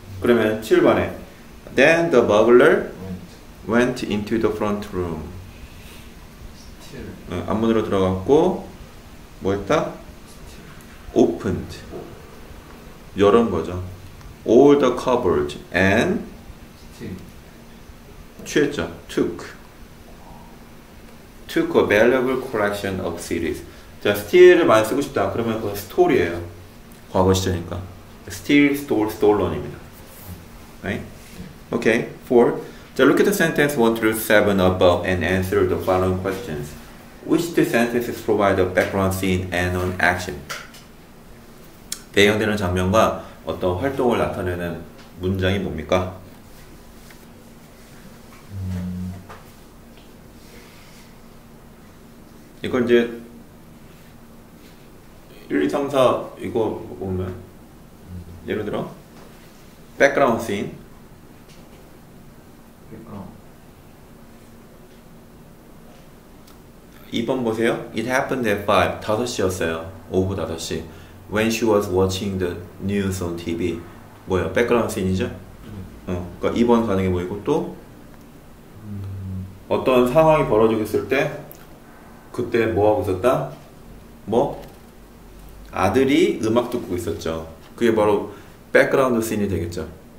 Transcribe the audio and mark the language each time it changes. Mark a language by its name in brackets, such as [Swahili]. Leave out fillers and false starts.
[Korean] 그러면 7번에 [English] Then the burglar went into the front room. [Korean] 앞문으로 들어갔고 뭐 했다? [English] Opened. [Korean] 열은 거죠. [English] All the cupboards and [Korean] 취했죠. [English] Took a valuable collection of CDs. [Korean] 자, steal을 많이 쓰고 싶다. 그러면 그건 스톨이에요. 과거 시제니까. [English] Steal, stole, stolen입니다. Right? Okay, 4. [Korean] 자, [English] look at the sentence 1 through 7 above and answer the following questions. Which two sentences provide a background scene and an action? [Korean] 배경되는 장면과 어떤 활동을 나타내는 문장이 뭡니까? 이건 이제 1, 2, 3, 4 이거 보면 예를 들어 background scene. [English] background. [Korean] 2번 보세요. [English] It happened at 5. [Korean] 5시였어요. 오후 5시. [English] When she was watching the news on TV. [Korean] 뭐예요? background scene이죠? 그러니까 2번 가능해 보이고 또 어떤 상황이 벌어지고 있을 때 그때 뭐하고 있었다? 뭐? 아들이 음악 듣고 있었죠. 그게 바로 백그라운드 씬이 되겠죠.